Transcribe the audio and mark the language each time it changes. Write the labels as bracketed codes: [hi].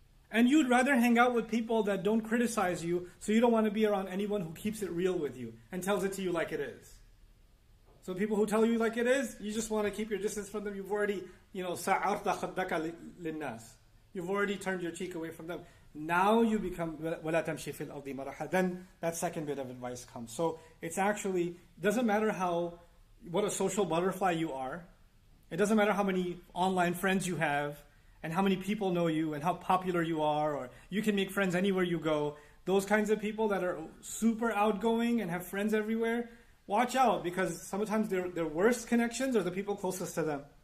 [en] And you'd rather hang out with people that don't criticize you, so you don't want to be around anyone who keeps it real with you and tells it to you like it is. So people who tell you like it is, you just want to keep your distance from them. You've already, you know, [ar] سَعَرْتَ خَدَّكَ لِلنَّاسِ. [en] You've already turned your cheek away from them. Now you become [ar] وَلَا تَمْشِي فِي الْأَرْضِ مَرَحًا. [en] Then that second bit of advice comes. So it's actually, doesn't matter what a social butterfly you are. It doesn't matter how many online friends you have and how many people know you and how popular you are, or you can make friends anywhere you go. Those kinds of people that are super outgoing and have friends everywhere, watch out, because sometimes their worst connections are the people closest to them.